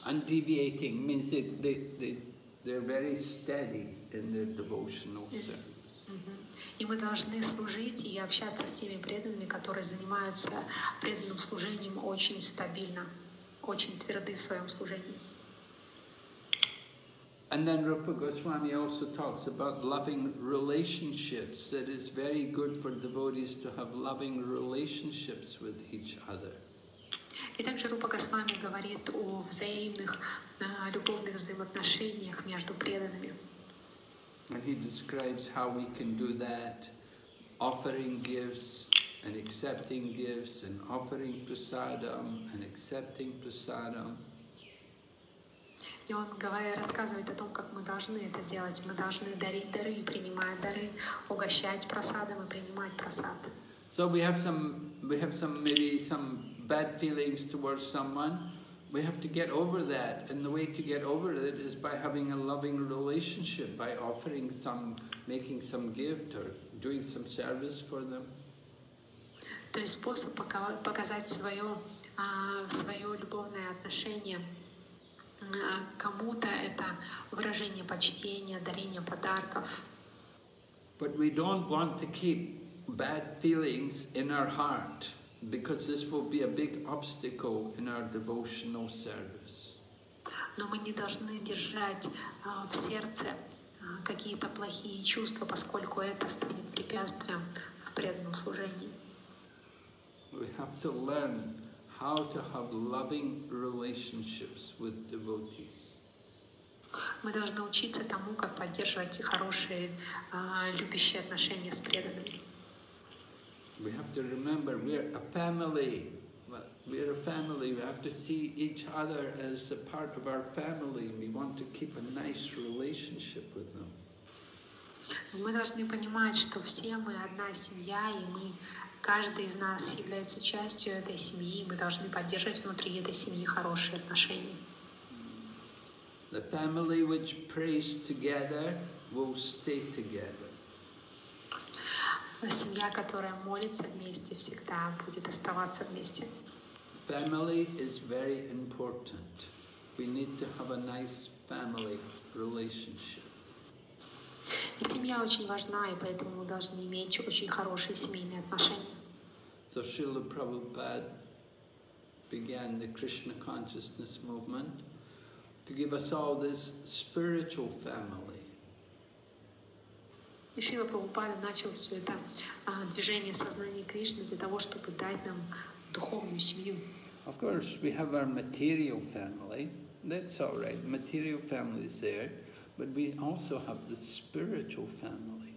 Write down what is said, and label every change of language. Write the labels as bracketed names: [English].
[English] Undeviating means that they're very steady in their devotional service. [Russian] И мы должны служить и общаться с теми преданными, которые занимаются преданным служением очень стабильно, очень тверды в своем служении. [English] And then Rupa Goswami also talks about loving relationships, that is very good for devotees to have loving relationships with each other. [Russian] И также Рупа Госвами говорит о взаимных любовных взаимоотношениях между преданными. [English] And he describes how we can do that, offering gifts and accepting gifts and offering prasadam and accepting prasadam. [Russian] И он рассказывает о том, как мы должны это делать. Мы должны дарить дары и принимать дары, угощать прасадом и принимать прасад. [English] So we have some bad feelings towards someone. We have to get over that, and the way to get over it is by having a loving relationship, by offering some, making some gift or doing some service for them. [Russian] То есть способ показать свое любовное отношение кому-то – это выражение почтения, дарение подарков. [English] But we don't want to keep bad feelings in our heart. Because this will be a big obstacle in our devotional service. [Russian] Но мы не должны держать в сердце какие-то плохие чувства, поскольку это станет препятствием в преданном служении. [English] We have to learn how to have loving relationships with devotees. [Russian] Мы должны учиться тому, как поддерживать хорошие любящие отношения с преданными. [English] We have to remember we're a family. We're a family. We have to see each other as a part of our family. We want to keep a nice relationship with them. [Russian] Мы должны понимать, что все мы одна семья, и мы каждый из нас является частью этой семьи. Мы должны поддерживать внутри этой семьи хорошие отношения. [English] The family which prays together will stay together. [Russian] Семья, которая молится вместе, всегда будет оставаться вместе. [English] Family is very important. We need to have a nice family relationship. [Russian] И семья очень важна, и поэтому мы должны иметь очень хорошие семейные отношения. [English] So Srila Prabhupada began the Krishna consciousness movement to give us all this spiritual family. [Russian] И Шрила Прабхупада начал все это движение сознания Кришны для того, чтобы дать нам духовную семью. [English] Of course, we have our material family. That's all right. Material family is there, but we also have the spiritual family.